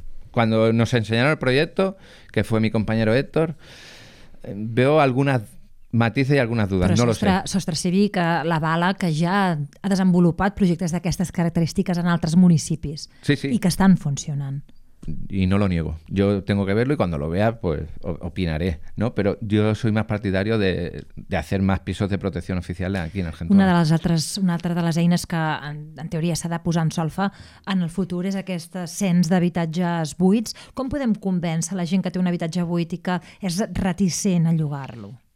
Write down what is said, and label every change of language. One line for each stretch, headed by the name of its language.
Spanish: Cuando nos enseñaron el proyecto, que fue mi compañero Héctor, veo algunas matices y algunas dudas,
Catalan: però
Spanish: no lo sé.
Catalan: Sostre Cívic, la bala que ja ha desenvolupat projectes d'aquestes característiques en altres municipis.
Spanish: Sí, sí.
Catalan: I que estan funcionant.
Spanish: Y no lo niego. Yo tengo que verlo y cuando lo vea, pues opinaré, ¿no? Pero yo soy más partidario de hacer más pisos de protección oficial aquí en Argentona.
Catalan: Una altra de les eines que en teoria s'ha de posar en solfa en el futur és aquest cens d'habitatges buits. Com podem convèncer la gent que té un habitatge buit i que és reticent a llogar-lo?